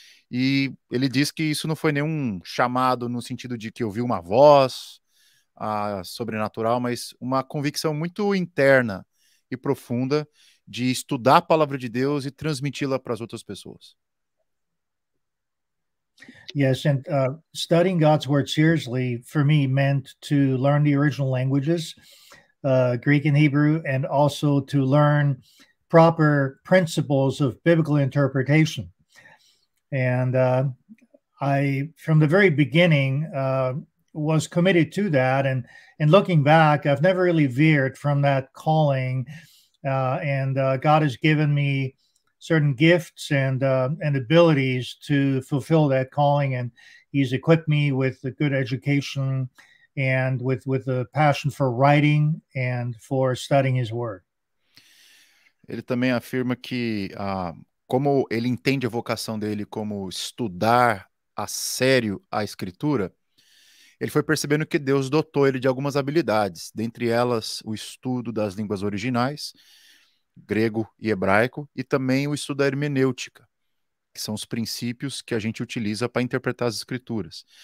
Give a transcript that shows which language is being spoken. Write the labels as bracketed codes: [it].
[pt] E ele diz que isso não foi nenhum chamado no sentido de que ouviu uma voz sobrenatural, mas uma convicção muito interna e profunda de estudar a palavra de Deus e transmiti-la para as outras pessoas. [en] Yes, and studying God's word seriously for me meant to learn the original languages, Greek and Hebrew, and also to learn proper principles of biblical interpretation. And I, from the very beginning, was committed to that, and looking back, I've never really veered from that calling, and God has given me certain gifts and abilities to fulfill that calling, and he's equipped me with a good education and with a passion for writing and for studying his word. [pt] Ele também afirma que como ele entende a vocação dele como estudar a sério a escritura, ele foi percebendo que Deus dotou ele de algumas habilidades, dentre elas o estudo das línguas originais, grego e hebraico, e também o estudo da hermenêutica, que são os princípios que a gente utiliza para interpretar as escrituras.